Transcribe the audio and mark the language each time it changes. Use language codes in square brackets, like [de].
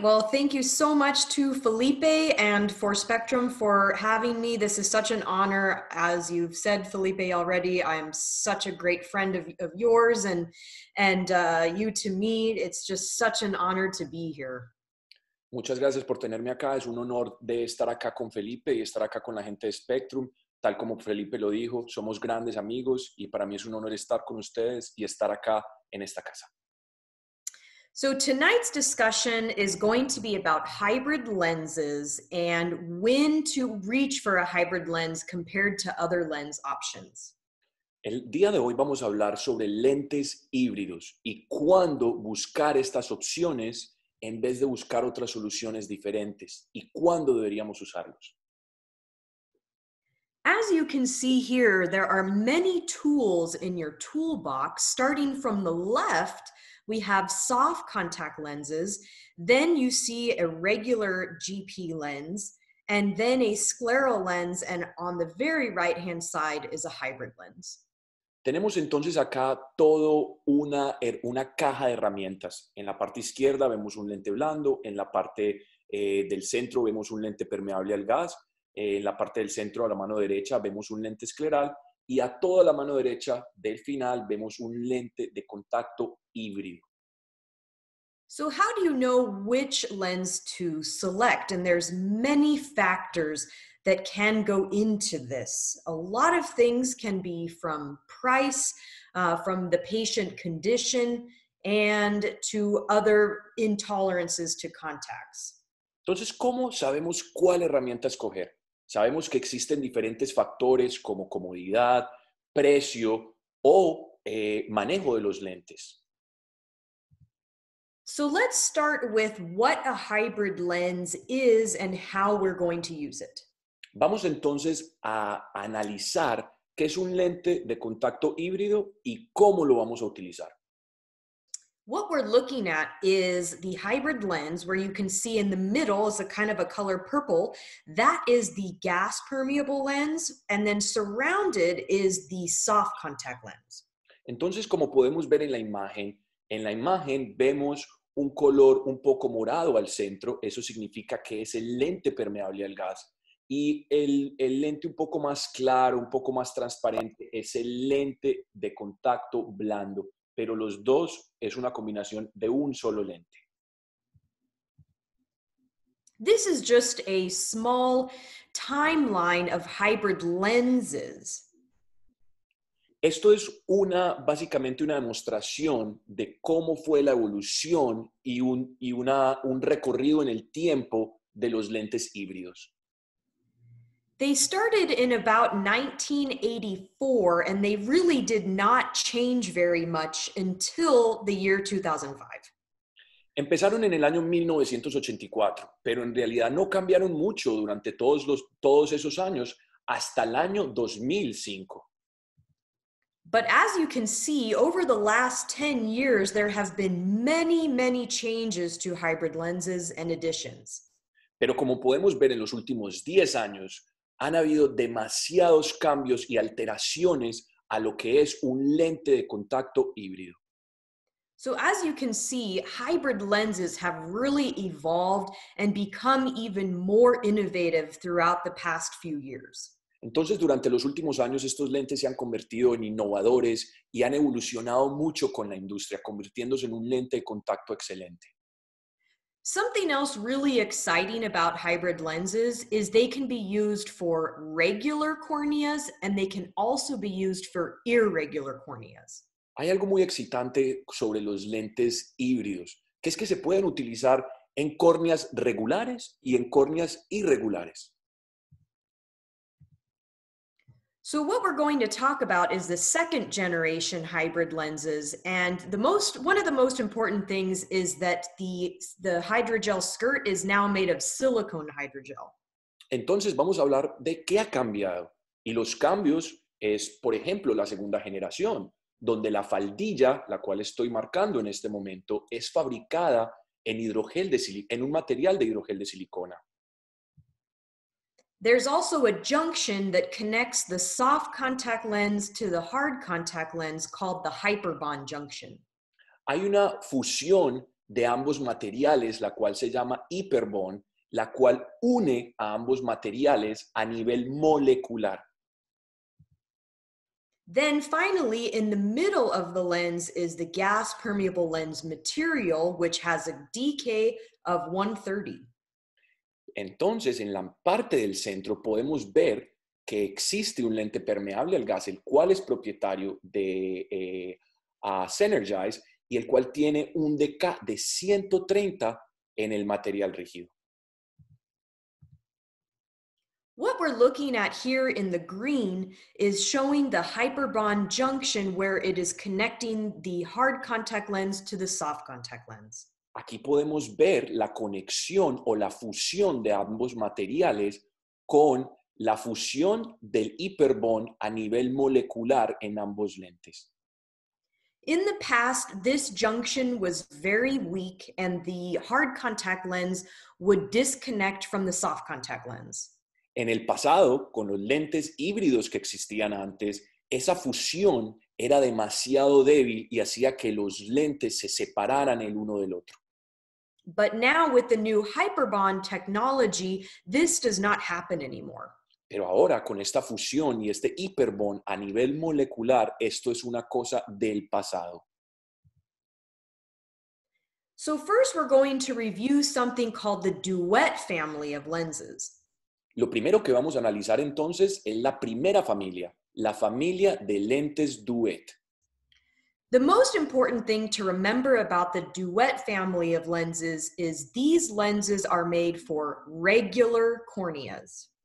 [en] Well, thank you so much to Felipe and for Spectrum for having me. This is such an honor. As you've said, Felipe, already, I'm such a great friend of yours and you to me. It's just such an honor to be here. [es] Muchas gracias por tenerme acá. Es un honor de estar acá con Felipe y estar acá con la gente de Spectrum. Tal como Felipe lo dijo, somos grandes amigos y para mí es un honor estar con ustedes y estar acá en esta casa. [en] So tonight's discussion is going to be about hybrid lenses and when to reach for a hybrid lens compared to other lens options. [es] El día de hoy vamos a hablar sobre lentes híbridos y cuándo buscar estas opciones en vez de buscar otras soluciones diferentes y cuándo deberíamos usarlos. [en] As you can see here, there are many tools in your toolbox. Starting from the left, we have soft contact lenses, then you see a regular GP lens, and then a scleral lens, and on the very right-hand side is a hybrid lens. [es] Tenemos entonces acá todo una caja de herramientas. En la parte izquierda vemos un lente blando, en la parte del centro vemos un lente permeable al gas, en la parte del centro a la mano derecha vemos un lente escleral y a toda la mano derecha del final vemos un lente de contacto híbrido. [en] So how do you know which lens to select? And there's many factors that can go into this. A lot of things can be from price, from the patient condition, and to other intolerances to contacts. [es] Entonces, ¿cómo sabemos cuál herramienta escoger? Sabemos que existen diferentes factores como comodidad, precio, o manejo de los lentes. [en] So let's start with what a hybrid lens is and how we're going to use it. [es] Vamos entonces a analizar qué es un lente de contacto híbrido y cómo lo vamos a utilizar. [en] What we're looking at is the hybrid lens, where you can see in the middle is a kind of a color purple. That is the gas permeable lens, and then surrounded is the soft contact lens. [es] Entonces, como podemos ver en la imagen vemos un color un poco morado al centro. Eso significa que es el lente permeable al gas. Y el lente un poco más claro, un poco más transparente, es el lente de contacto blando. Pero los dos es una combinación de un solo lente. [en] This is just a small timeline of hybrid lenses. [es] Esto es básicamente una demostración de cómo fue la evolución y un recorrido en el tiempo de los lentes híbridos. [en] They started in about 1984 and they really did not change very much until the year 2005. [es] Empezaron en el año 1984, pero en realidad no cambiaron mucho durante todos esos años hasta el año 2005. [en] But as you can see, over the last 10 years, there have been many, many changes to hybrid lenses and additions. [es] Pero como podemos ver en los últimos 10 años, han habido demasiados cambios y alteraciones a lo que es un lente de contacto híbrido. [en] So as you can see, hybrid lenses have really evolved and become even more innovative throughout the past few years. [es] Entonces, durante los últimos años, estos lentes se han convertido en innovadores y han evolucionado mucho con la industria, convirtiéndose en un lente de contacto excelente. [en] Something else really exciting about hybrid lenses is they can be used for regular corneas and they can also be used for irregular corneas. [es] Hay algo muy excitante sobre los lentes híbridos, que es que se pueden utilizar en córneas regulares y en córneas irregulares. [en] So what we're going to talk about is the second generation hybrid lenses, and one of the most important things is that the hydrogel skirt is now made of silicone hydrogel. [es] Entonces vamos a hablar de qué ha cambiado. Y los cambios es, por ejemplo, la segunda generación, donde la faldilla, la cual estoy marcando en este momento, es fabricada en un material de hidrogel de silicona. [en] There's also a junction that connects the soft contact lens to the hard contact lens called the hyperbond junction. [es] hay una fusión de ambos materiales, la cual se llama hiperbond, la cual une a ambos materiales a nivel molecular. [en] Then finally, in the middle of the lens is the gas permeable lens material, which has a decay of 130. [es] Entonces, en la parte del centro podemos ver que existe un lente permeable al gas, el cual es propietario de Synergize y el cual tiene un decay de 130 en el material rígido. [en] What we're looking at here in the green is showing the hyperbond junction where it is connecting the hard contact lens to the soft contact lens. [es] Aquí podemos ver la conexión o la fusión de ambos materiales con la fusión del hyperbond a nivel molecular en ambos lentes. [en] In the past, this junction was very weak and the hard contact lens would disconnect from the soft contact lens. [es] En el pasado, con los lentes híbridos que existían antes, esa fusión era demasiado débil y hacía que los lentes se separaran el uno del otro. [en] But now with the new hyperbond technology, this does not happen anymore. [es] Pero ahora con esta fusión y este hyperbond a nivel molecular, esto es una cosa del pasado. [en] So first we're going to review something called the duet family of lenses. [es] Lo primero que vamos a analizar entonces es la primera familia, la familia de lentes duet. [en] The most important thing to remember about the duet family of lenses is these lenses are made for regular corneas.